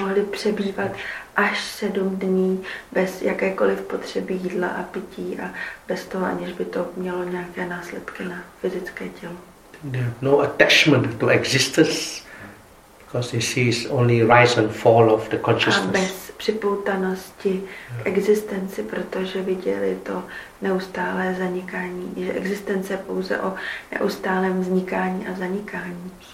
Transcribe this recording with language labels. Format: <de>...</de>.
<cs>mohli přebývat až 7 dní bez jakékoliv potřeby jídla a pití a bez toho, aniž by to mělo nějaké následky na fyzické tělo.</cs> <en>No attachment to existence, because they see it's only rise and fall of the consciousness.</en> <cs>A bez připoutanosti k existenci, protože viděli to neustálé zanikání, že existence pouze o neustálém vznikání a zanikání.</cs>